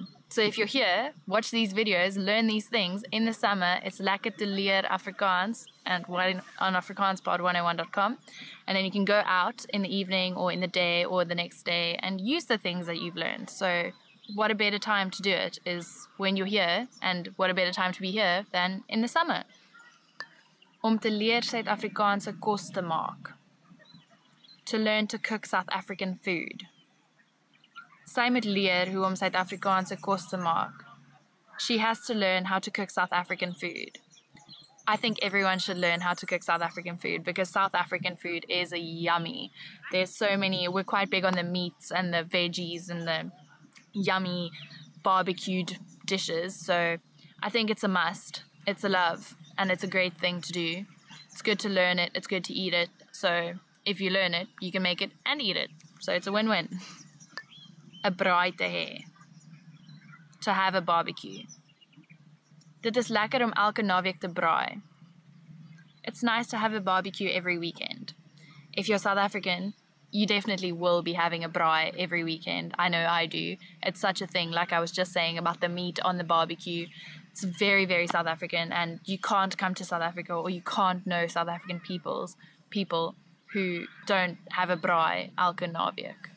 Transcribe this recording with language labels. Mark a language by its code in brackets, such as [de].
[en] So if you're here, watch these videos, learn these things. In the summer, it's [af] Lekker te leer Afrikaans [en] and on AfrikaansPod101.com. And then you can go out in the evening or in the day or the next day and use the things that you've learned. So what a better time to do it is when you're here, and what a better time to be here than in the summer. [af] Om te leer Suid-Afrikaanse kos te maak. [en] To learn to cook South African food. [af] Sy moet leer hoe om Suid-Afrikaanse kos te maak. [en] She has to learn how to cook South African food. I think everyone should learn how to cook South African food, because South African food is a yummy. There's so many, we're quite big on the meats and the veggies and the yummy barbecued dishes. So I think it's a must. It's a love and it's a great thing to do. It's good to learn it. It's good to eat it. So if you learn it, you can make it and eat it. So it's a win-win. [af] A braai te hê. [en] To have a barbecue. [af] Dit is lekker om elke naweek te braai. [en] It's nice to have a barbecue every weekend. If you're South African, you definitely will be having a braai every weekend. I know I do. It's such a thing, like I was just saying about the meat on the barbecue. It's very, very South African, and you can't come to South Africa or you can't know South African people who don't have a braai [af] elke naweek.